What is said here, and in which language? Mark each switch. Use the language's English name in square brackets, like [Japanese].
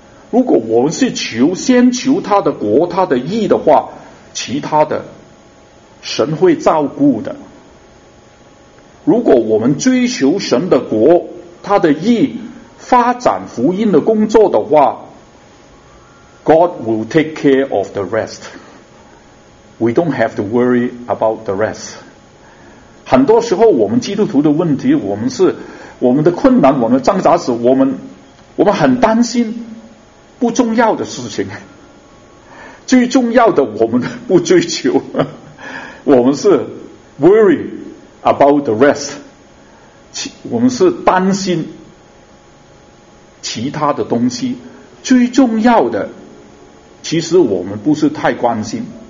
[Chinese] 如果我们是先求他的国他的义的话，其他的神会照顾的。如果我们追求神的国他的义，发展福音的工作的话， [English] God will take care of the rest. We don't have to worry about the rest. [Chinese] 很多时候我们基督徒的问题，我们的困难，我们挣扎时，我们很担心不重要的事情，最重要的我们不追求，我们是 [English] worry about the rest， [Chinese] 我们是担心其他的东西，最重要的其实我们不是太关心。